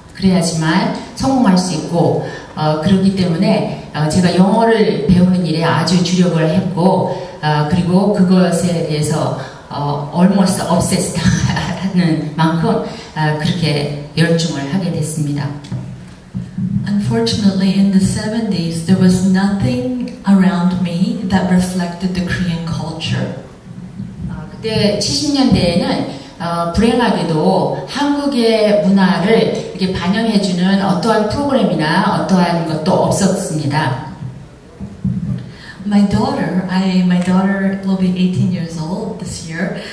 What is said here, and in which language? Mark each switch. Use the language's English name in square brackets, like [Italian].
[Korean] 그래야지만 성공할 수 있고 그렇기 때문에 제가 영어를 배우는 일에 아주 주력을 했고 그리고 그것에 대해서 [English] almost obsessed [Korean] 하는 만큼 그렇게 열중을 하게 됐습니다. [English] Unfortunately, in the 70s, there was nothing around me that reflected the Korean culture. [Korean] 그때 70년대에는 불행하게도 한국의 문화를 이렇게 반영해주는 어떠한 프로그램이나 어떠한 것도 없었습니다. [English] My daughter will be 18 years old this year.